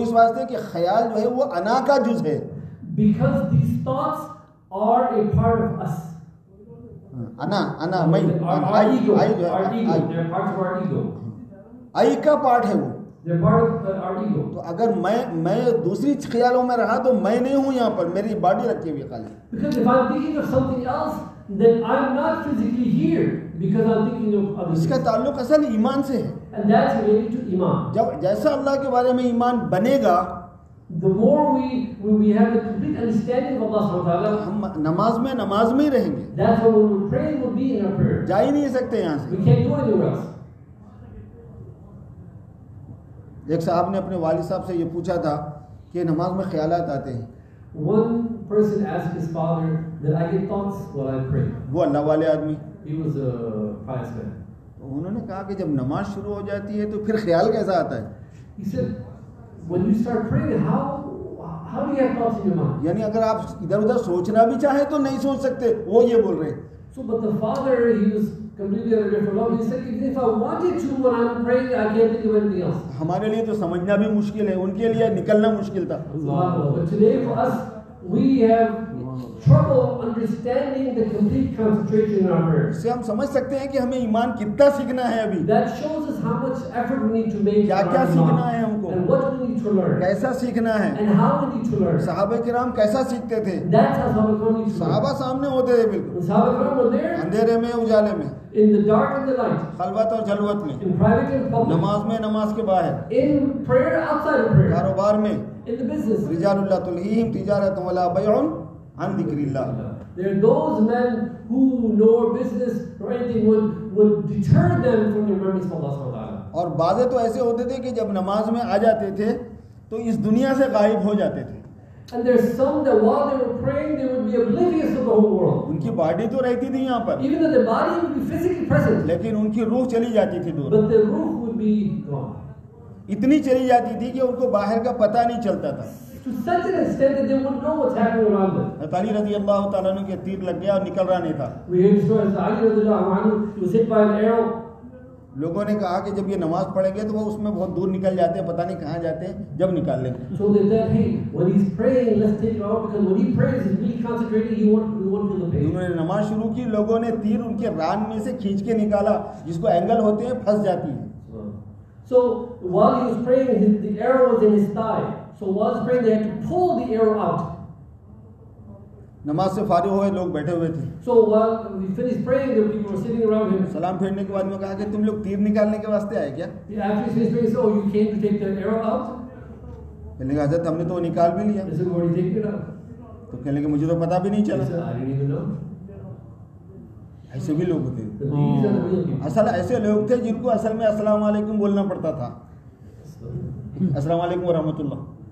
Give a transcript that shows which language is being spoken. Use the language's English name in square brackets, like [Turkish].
[Hindi] इस वास्ते कि ख्याल जो है वो अना का जुज है. [English] Because these thoughts are a part of us. [Hindi] अना अना [English] मैं आई जो आई जो I part of our ego. [Hindi] आई का पार्ट है वो. [English] They're part of our ego. [Hindi] तो अगर मैं दूसरी ख्यालों में रहा तो मैं नहीं हूँ यहाँ पर, मेरी बॉडी रखी हुई खाली. [English] Because if I'm thinking of something else, then I'm not physically here. [Hindi] इसका ताल्लुक असल ईमान से है. [English] And that's related to iman. [Hindi] जब जैसा अल्लाह के बारे में ईमान बनेगा, [English] the more we have a complete understanding of Allah Subhanahu wa Taala, [Hindi] हम नमाज में ही रहेंगे. [English] That's what we're praying will be in our prayer. [Hindi] जा ही नहीं सकते यहाँ से. [English] We can't go anywhere else. [Hindi] एक साहब ने अपने वालिद साहब से ये पूछा था कि नमाज में ख्याल आते हैं. [English] One person asked his father that I get thoughts while I pray. [Hindi] वो अल्लाह वाले आदमी. [English] He was a pious man. [Hindi] उन्होंने कहा कि जब नमाज शुरू हो जाती है तो फिर ख्याल कैसा आता है? [English] He said, when you start praying, how do you have thoughts in your mind? [Hindi] यानी अगर आप इधर उधर सोचना भी चाहे तो नहीं सोच सकते, वो ये बोल रहे हैं. [English] So, but the father, he was completely under the law. He said, if I wanted to, when I'm praying, I can't think of anything else. [Hindi] हमारे लिए तो समझना भी मुश्किल है, उनके लिए निकलना मुश्किल था. [English] But today for us, we have trouble understanding the complete concentration in our prayer. [Hindi] इससे हम समझ सकते हैं कि हमें ईमान कितना सीखना है अभी. [English] That shows us how much effort we need to make. [Hindi] क्या क्या सीखना है हमको? [English] And what we need to learn. [Hindi] कैसा सीखना है? [English] And how we need to learn. [Hindi] सहाबा किराम कैसा सीखते थे? [English] That's how we need to learn. [Hindi] सहाबा सामने होते थे बिल्कुल. [English] सहाबा किराम were there. [Hindi] अंधेरे में उजाले में. [English] In the dark and the light. [Hindi] खलवत और जलवत में. [English] In private and public. [Hindi] नमाज में नमाज के बाहर. [English] In prayer outside of prayer. [Hindi] कारोबार में. [English] In the business. [Arabic] रिजालुल्लाह तुलहीम तिजारतुन वला बैउन. [English] There are those men who know business or anything would deter them from the remembrance of Allah Subhanahu wa Taala. [Hindi] और बाज़े तो ऐसे होते थे कि जब नमाज में आ जाते थे तो इस दुनिया से गायब हो जाते थे. [English] And there's some that while they were praying they would be oblivious of the whole world. [Hindi] उनकी बॉडी तो रहती थी यहाँ पर. [English] Even though their body would be physically present. [Hindi] लेकिन उनकी रूह चली जाती थी दूर. [English] But their ruh would be gone. [Hindi] इतनी चली जाती थी कि उनको बाहर का पता नहीं चलता था. अली रज़ी अल्लाह ताला अन्हु के तीर लग गया और निकल रहा नहीं था. लोगों ने कहा कि जब ये नमाज पढ़ेंगे तो वो उसमें बहुत दूर निकल जाते हैं, पता नहीं कहाँ जाते हैं, जब निकाल लेंगे. उन्होंने नमाज शुरू की, लोगों ने तीर उनके रान में से खींच के निकाला, जिसको एंगल होते हैं फंस जाती है. [English] So while he was praying, the arrow was in his thigh. So while he was praying, they had to pull the arrow out. [Hindi] नमाज से फारिग हुए लोग बैठे हुए थे. [English] So while he finished praying, the people were sitting around him. [Hindi] सलाम फेरने के बाद में कहा कि तुम लोग तीर निकालने के वास्ते आए क्या? [English] He after he finished praying, so you came to take the arrow out? [Hindi] कहने का हज़रत हमने तो वो निकाल भी लिया. [English] Is it already taken [Hindi] out? तो कहने के मुझे तो पता भी नहीं चला. [English] I didn't even know. [Hindi] ऐसे भी लोग थे. Oh. असल ऐसे लोग थे जिनको असल में अस्सलाम वालेकुम बोलना पड़ता था. अस्सलाम वालेकुम व रहमतुल्लाह.